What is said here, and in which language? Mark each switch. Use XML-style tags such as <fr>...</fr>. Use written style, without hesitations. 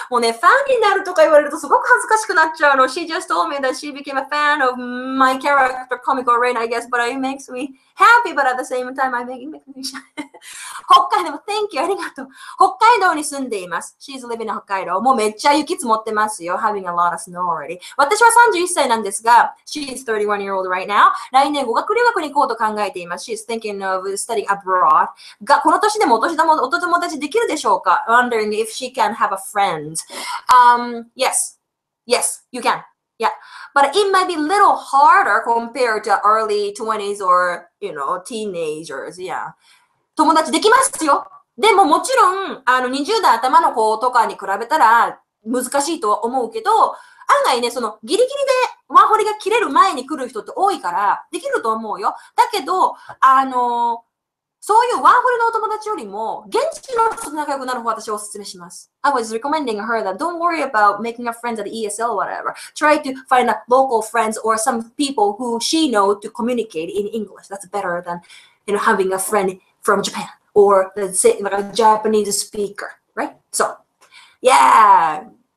<ja>もうね、ファンになるとか言われるとすごく恥ずかしくなっちゃうの.</ja> <en>She just told me that she became a fan of my character, Comical Rain, I guess, but it makes me happy, but at the same time, I'm making me shy. 北海道、Thank you,</en> <ja>ありがとう. 北海道に住んでいます.</ja> <en>She's living in Hokkaido.</en> <ja>もうめっちゃ雪積もってますよ.</ja> <en>Having a lot of snow already.</en> <ja>私は31歳なんですが,</ja> <en>She's 31 years old right now.</en> <ja>来年語学留学に行こうと考えています.</ja> <en>She's thinking of studying abroad. about?</en> <ja>が、この年でもお年玉、お友達できるでしょうか?</ja> <en>Wondering if she can have a friend. Yes. Yes, you can. Yeah. But it might be a little harder compared to early 20s or, you know, teenagers. Yeah.</en> <ja>友達できますよ。でももちろん、あの20代頭の子とかに比べたら難しいとは思うけど、案外ね、そのギリギリでワーホリが切れる前に来る人って多いから、できると思うよ。だけど、そういうワーホリのお友達よりも、現地の人と仲良くなる方を私はお勧めします。</ja> <en>I was recommending her that don't worry about making a friend at ESL or whatever. Try to find a local friends or some people who she know to communicate in English. That's better than, you know, having a friend from Japan. Or let's say, like a Japanese speaker, right? So, yeah.</en>